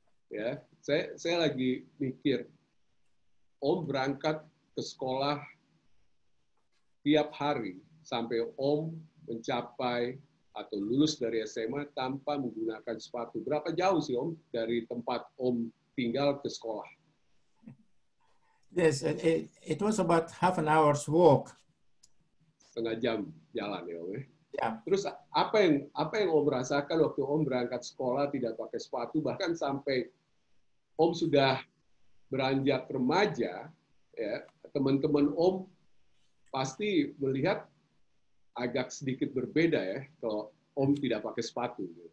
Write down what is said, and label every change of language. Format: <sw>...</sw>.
<id>Ya, saya lagi mikir, Om berangkat ke sekolah tiap hari sampai Om mencapai atau lulus dari SMA tanpa menggunakan sepatu. Berapa jauh sih Om dari tempat Om tinggal ke sekolah?</id> <en>Yes, it was about half an hour's walk.</en> <id>Setengah jam jalan ya, Om. Ya. Terus apa yang Om rasakan waktu Om berangkat sekolah tidak pakai sepatu, bahkan sampai Om sudah beranjak remaja, ya, teman-teman Om pasti melihat agak sedikit berbeda ya kalau Om tidak pakai sepatu.</id>